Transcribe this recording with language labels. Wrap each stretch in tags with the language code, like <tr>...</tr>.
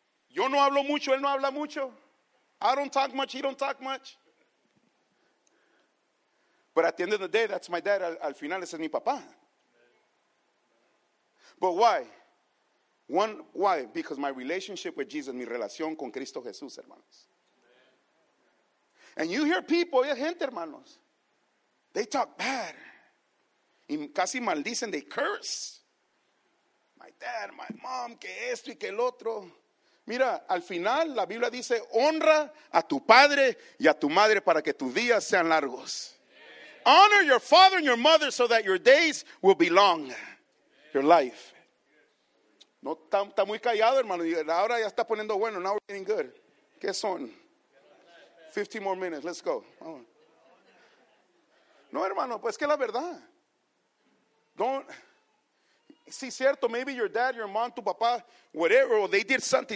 <es>Yo no hablo mucho, él no habla mucho.</es> <en>I don't talk much, he don't talk much. But at the end of the day, that's my dad.</en> <es>Al final, ese es mi papá.</es> <en>But why? One, why? Because my relationship with Jesus,</en> <es>mi relación con Cristo Jesús, hermanos.</es> <en>And you hear people,</en> <es>hay gente, hermanos.</es> <en>They talk bad.</en> <es>Y casi maldicen,</es> <en>they curse. My dad, my mom,</en> <es>que esto y que el otro. Mira, al final la Biblia dice, honra a tu padre y a tu madre para que tus días sean largos.</es> <en>Yeah. Honor your father and your mother so that your days will be long. Yeah. Your life.</en> <es>No, está muy callado, hermano. Ahora ya está poniendo bueno.</es> <en>Now we're getting good.</en> <es>¿Qué son?</es> <en>15 more minutes. Let's go. Oh.</en> <es>No, hermano, pues que la verdad. Don't. Sí, cierto.</es> <en>Maybe your dad, your mom,</en> <es>tu papá,</es> <en>whatever, or they did something.</en>